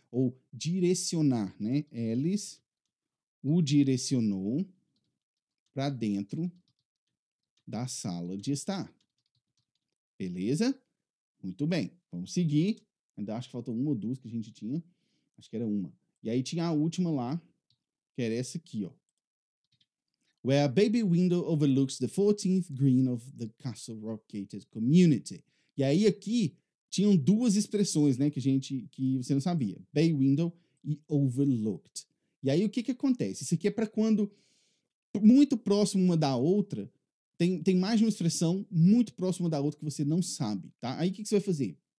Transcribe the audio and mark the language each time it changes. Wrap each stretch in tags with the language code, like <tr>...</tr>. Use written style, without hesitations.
<pt>Ou direcionar, né? Alice o direcionou para dentro da sala de estar. Beleza? Muito bem. Vamos seguir. Ainda acho que faltou uma ou duas que a gente tinha. Acho que era uma. E aí tinha a última lá, que era essa aqui, ó.</pt> <en>Where a baby window overlooks the 14th green of the Castle Rock Gated Community.</en> <pt>E aí aqui tinham duas expressões, né, que você não sabia. Bay window e overlooked. E aí o que que acontece? Isso aqui é para quando muito próximo uma da outra, tem mais de uma expressão muito próxima da outra que você não sabe, tá? Aí o que que você vai fazer?</pt>